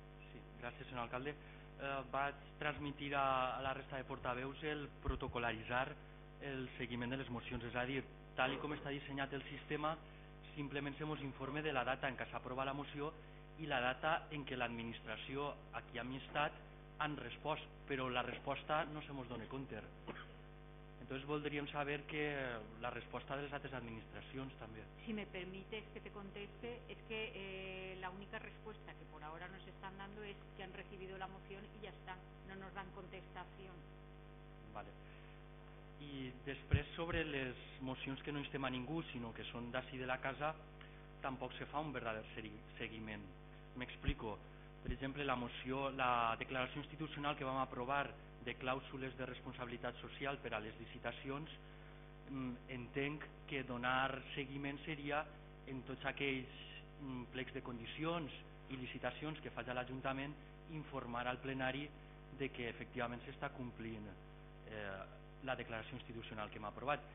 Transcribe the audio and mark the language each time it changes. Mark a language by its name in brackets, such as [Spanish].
[Catalan] Sí, gràcies, senyor alcalde. Vaig transmitir a la resta de portaveus el protocolaritzar el seguiment de les mocions, és a dir, tal com està dissenyat el sistema, simplement fem un informe de la data en què s'aprova la moció i la data en què l'administració aquí a mi estat han respost, però la resposta no se mos dona compte. Entonces voldríem saber que la resposta de les altres administracions també. [Spanish] Si me permites que te conteste, es que la única resposta que por ahora nos están dando es que han recibido la moción y ya está, no nos dan contestación. Vale. [Catalan] I després sobre les mocions que no instem a ningú, sinó que són d'ací de la casa, tampoc se fa un verdader seguiment. M'explico. Per exemple, la declaració institucional que vam aprovar de clàusules de responsabilitat social per a les licitacions, entenc que donar seguiment seria en tots aquells plecs de condicions i licitacions que faci l'Ajuntament informar al plenari de que efectivament s'està complint la declaració institucional que hem aprovat.